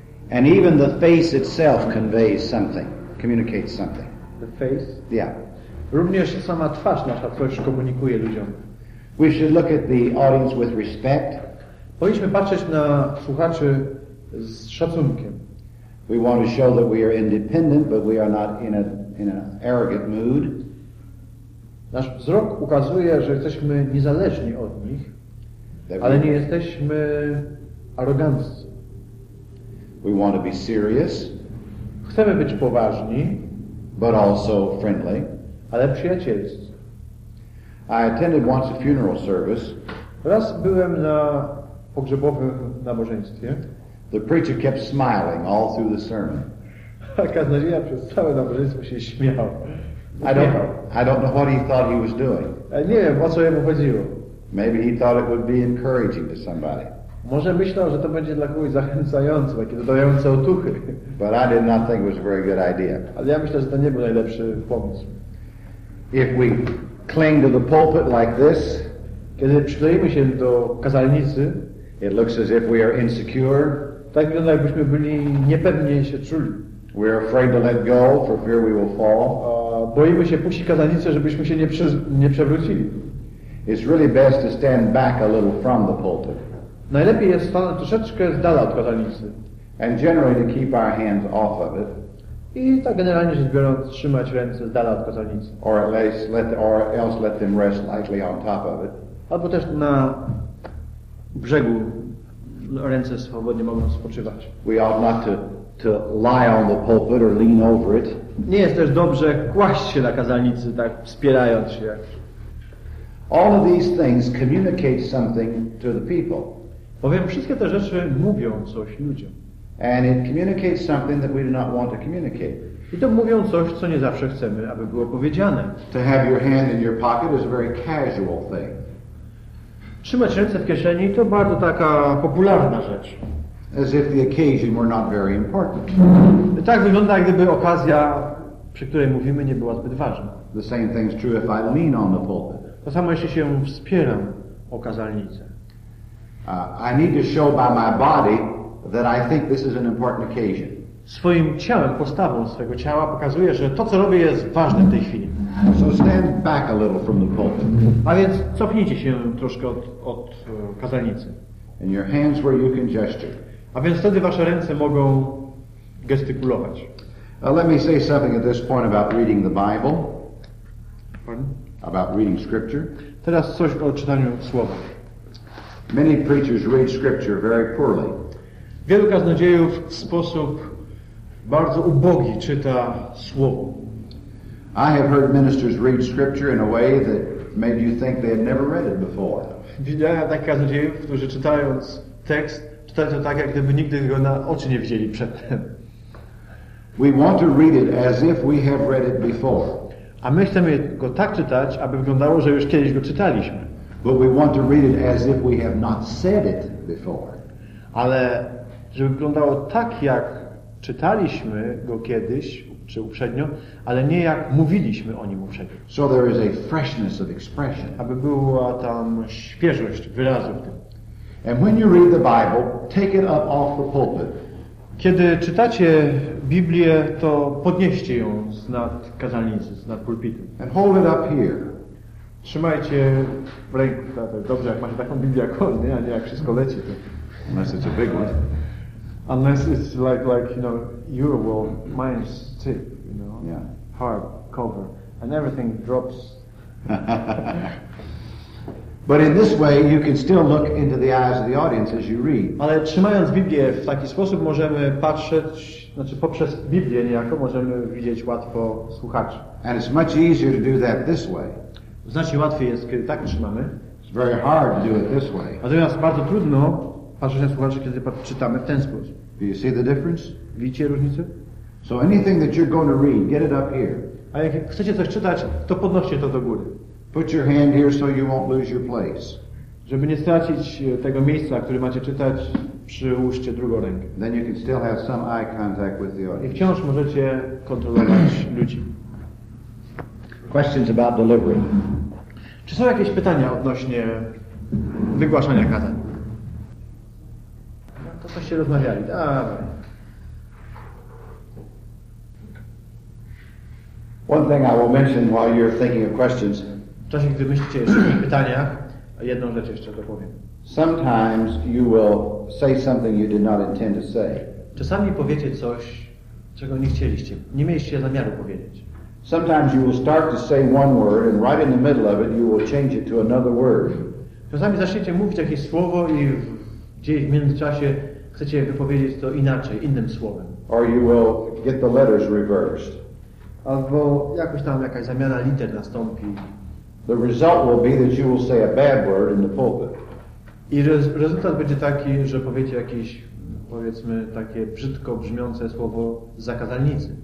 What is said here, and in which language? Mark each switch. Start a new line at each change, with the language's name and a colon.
English: And even the face itself conveys something, communicates something. The face? Yeah.
Polish: Również sama twarz nasza coś komunikuje ludziom.
English: We should look at the audience with respect.
Polish: Powinniśmy patrzeć na słuchaczy z szacunkiem.
English: We want to show that we are independent, but we are not in an arrogant mood.
Polish: Nasz wzrok ukazuje, że jesteśmy niezależni od nich, ale nie jesteśmy aroganccy.
English: We want to be serious.
Polish: Chcemy być poważni,
English: but also friendly.
Polish: Ale przyjacielscy.
English: I attended once a funeral service.
Polish: Raz byłem na pogrzebowym nabożeństwie.
English: The preacher kept smiling all through the sermon.
Polish: A kaznodzieja przez całe nabożeństwo się śmiał.
English: I don't know what he thought he was doing.
Polish: Nie wiem, o co jemu chodziło.
English: Maybe he thought it would be encouraging to somebody.
Polish: Może myślał, że to będzie dla kogoś zachęcające, takie dodające otuchy.
English: But I did not think it was a very good idea.
Polish: Ale ja myślę, że to nie był najlepszy pomysł.
English: If we cling to the pulpit like this,
Polish: kiedy przykleimy się do kazalnicy,
English: it looks as if we are insecure.
Polish: Tak wygląda, jakbyśmy byli niepewnie się czuli.
English: We are afraid to let go for fear we will fall.
Polish: Boimy się puścić kazalnicę, żebyśmy się nie przewrócili.
English: It's really best to stand back a little from the pulpit.
Polish: Najlepiej jest stanąć troszeczkę z dala od kazalnicy.
English: And generally to keep our hands off of it.
Polish: I tak generalnie rzecz biorąc, trzymać ręce z dala od kazalnicy.
English: Or at least let them rest lightly on top of it.
Polish: Albo też na brzegu ręce swobodnie mogą spoczywać.
English: We ought not to lie on the pulpit or lean over it.
Polish: Nie jest też dobrze kłaść się na kazalnicy, tak wspierając się.
English: All of these things communicate something to the people.
Polish: Powiem, wszystkie te rzeczy mówią coś ludziom.
English: And it communicates something that we do not want to communicate.
Polish: I to mówią coś, co nie zawsze chcemy, aby było powiedziane.
English: To have your hand in your pocket is a very casual thing.
Polish: Trzymać ręce w kieszeni to bardzo taka popularna rzecz.
English: As if the occasion were not very important.
Polish: Tak wygląda, jak gdyby okazja, przy której mówimy, nie była zbyt ważna.
English: The same thing is true if I lean on the pulpit.
Polish: To samo, jeśli się wspieram o kazalnicę.
English: I need to show by my body that I think this is an important occasion.
Polish: Swoim ciałem, postawą swojego ciała pokazuje, że to, co robię, jest ważne w tej chwili.
English: So stand back a little from the pulpit.
Polish: A więc cofnijcie się troszkę od kazalnicy.
English: And your hands where you can gesture.
Polish: A więc wtedy wasze ręce mogą gestykulować.
English: Let me say something at this point about reading the Bible. Pardon? About reading scripture.
Polish: Teraz coś o czytaniu słowa.
English: Many preachers read scripture very poorly.
Polish: Wielu kaznodziejów w sposób bardzo ubogi czyta słowo.
English: I have heard ministers read scripture in a way that made you think they had never read it before.
Polish: Widziałem takich kaznodziejów, którzy czytając tekst, czytają to tak, jak gdyby nigdy go na oczy nie widzieli przedtem.
English: We want to read it as if we have read it before.
Polish: A my chcemy go tak czytać, aby wyglądało, że już kiedyś go czytaliśmy.
English: But we want to read it as if we have not said it before.
Polish: Ale żeby wyglądało tak, jak czytaliśmy go kiedyś czy uprzednio, ale nie jak mówiliśmy o nim uprzednio.
English: So there is a freshness of expression.
Polish: Aby była tam świeżość wyrazu w tym.
English: And when you read the Bible, take it up off the pulpit.
Polish: Kiedy czytacie Biblię, to podnieście ją z nad kazalnicy, z nad pulpitu.
English: And hold it up here.
Polish: Trzymajcie w ręku. Dobrze, jak macie taką Biblię, jak on, nie? A nie jak wszystko leci. To...
English: Unless it's a big one. Unless it's like you know, your world, mine's thick, you know, yeah, hard cover, and everything drops. But in this way, you can still look into the eyes of the audience as you read.
Polish: Ale trzymając Biblię w taki sposób, możemy patrzeć, znaczy poprzez Biblię niejako możemy widzieć łatwo słuchaczy.
English: And it's much easier to do that this way.
Polish: Znacznie łatwiej jest, kiedy tak trzymamy.
English: It's very hard to do it this way.
Polish: Natomiast bardzo trudno patrzeć na słuchaczy, kiedy czytamy w ten sposób.
English: Do you see the difference?
Polish: Widzicie różnicę?
English: So anything that you're going to read, get it up here.
Polish: A jak chcecie coś czytać, to podnoście to do góry.
English: Put your hand here so you won't lose your place.
Polish: Żeby nie stracić tego miejsca, które macie czytać, przyłóżcie drugą rękę.
English: Then you can still have some eye contact with the audience.
Polish: I wciąż możecie kontrolować ludzi.
English: Questions about delivery.
Polish: Czy są jakieś pytania odnośnie wygłaszania kazań? To coś się rozmawiali. Dobra.
English: One thing I will mention while you're thinking of questions.
Polish: W czasie, gdy myślicie jeszcze o pytaniach, jedną rzecz jeszcze dopowiem.
English: Sometimes you will say something you did not intend to say.
Polish: Czasami powiecie coś, czego nie chcieliście, nie mieliście zamiaru powiedzieć.
English: Sometimes you will start to say one word and right in the middle of it you will change it to another word.
Polish: Czasami zaczniecie mówić jakieś słowo i gdzieś w międzyczasie chcecie wypowiedzieć to inaczej, innym słowem.
English: Or you will get the letters reversed.
Polish: Albo jakoś tam jakaś zamiana liter nastąpi.
English: The result will be that you will say a bad word in the pulpit.
Polish: I rezultat będzie taki, że powiecie jakieś, powiedzmy, takie brzydko brzmiące słowo z zakazalnicy.